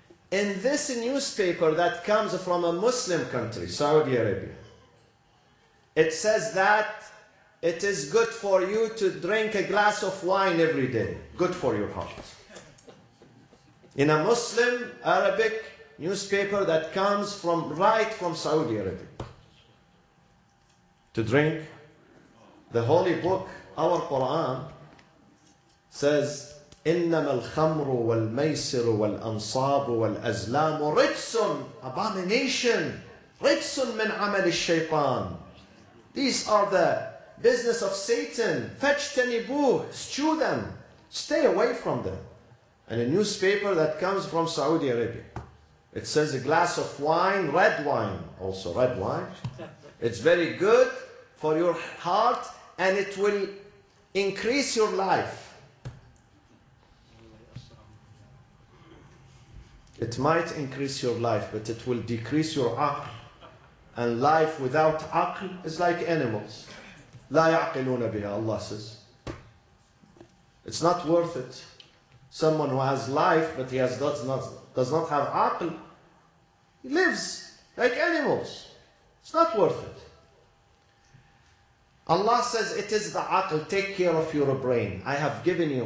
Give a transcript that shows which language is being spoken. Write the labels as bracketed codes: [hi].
[en] In this newspaper that comes from a Muslim country, Saudi Arabia, it says that it is good for you to drink a glass of wine every day. Good for your heart. In a Muslim Arabic newspaper that comes from right from Saudi Arabia. To drink the holy book, our Quran, says, [ar] إِنَّمَا الْخَمْرُ وَالْمَيْسِرُ وَالْأَنصَابُ وَالْأَزْلَامُ رِجْسٌ [en] abomination, [ar] رِجْسٌ مِنْ عَمَلِ الشَّيْطَانِ. [en] These are the business of Satan. [ar] فَجْتَنِبُوا, [en] stew them, stay away from them. And a newspaper that comes from Saudi Arabia, it says a glass of wine, red wine, also red wine, it's very good for your heart and it will increase your life. It might increase your life, but it will decrease your aql. And life without aql is like animals. [ar] لا يعقلون بها, [en] Allah says. It's not worth it. Someone who has life, but he has does not have aql, he lives like animals. It's not worth it. Allah says, it is the aql, take care of your brain. I have given you.